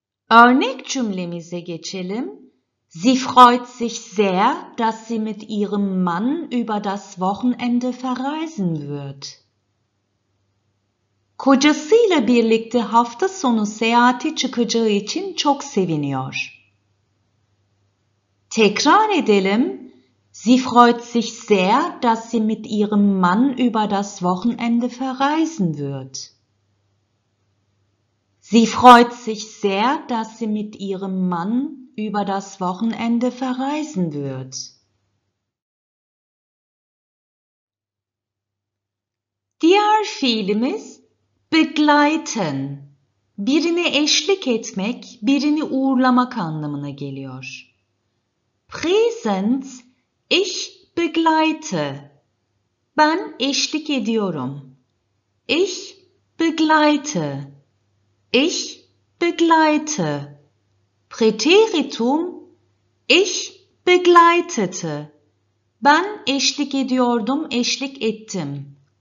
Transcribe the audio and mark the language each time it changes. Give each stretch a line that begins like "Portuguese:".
Turkish: Örnek cümlemize geçelim.
German: Sie freut sich sehr, dass sie mit ihrem Mann über das Wochenende verreisen wird.
Turkish: Kocasıyla birlikte hafta sonu seyahate çıkacağı için çok seviniyor. Tekrar edelim.
German: Sie freut sich sehr, dass sie mit ihrem Mann über das Wochenende verreisen wird. Sie freut sich sehr, dass sie mit ihrem Mann über das Wochenende verreisen wird.
Turkish: Diğer fiilimiz begleiten. Birine eşlik etmek, birini uğurlamak anlamına geliyor.
German: Präsenz, ich begleite.
Turkish: Ben eşlik ediyorum.
German: Ich begleite. Ich begleite. Präteritum, ich begleitete.
Turkish: Ben eşlik ediyordum, eşlik ettim.